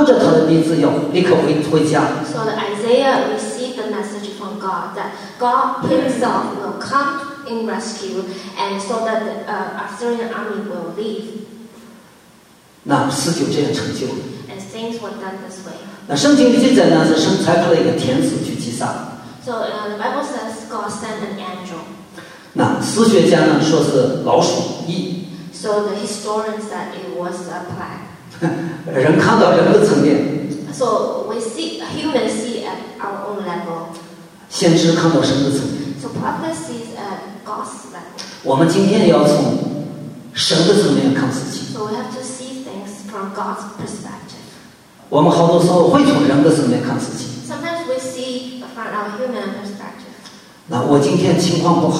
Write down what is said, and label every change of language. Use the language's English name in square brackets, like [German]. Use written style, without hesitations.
[Chinese] 那以赛亚呢，在神的面前就有领受，说我要亲自来击杀他，让他勾着他的鼻子要立刻回家。 [English] So the Isaiah received the message from God that God Himself will come in rescue, and so that the Assyrian army will leave. [Chinese] 那事就这样成就。 [English] Things were done this way. [Chinese] 那圣经记载呢，是神差派了一个天使去击杀。 [English] So the Bible says God sent an angel. [Chinese] 那史学家呢，说是老鼠。 [English] So the historian said it was a plague. [Chinese] 人看到人的层面。 [English] So we see humans see at our own level. [Chinese] 先知看到神的层面。 [English] So prophet sees at God's level. [Chinese] 我们今天也要从神的层面看事情。 [English] So we have to see things from God's perspective. [Chinese] 我们好多时候会从人的层面看事情。 [English] Sometimes we see from our human perspective.